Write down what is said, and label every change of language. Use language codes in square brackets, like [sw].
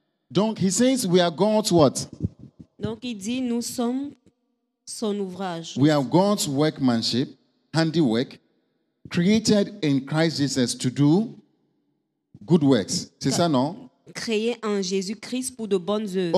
[en] Donc, he says, we are God's what? [fr] Donc, il dit, nous sommes son ouvrage. [en] We are God's workmanship, handiwork, created in Christ Jesus to do good works. [fr] C'est ça, non? Créé en Jésus-Christ pour de bonnes œuvres.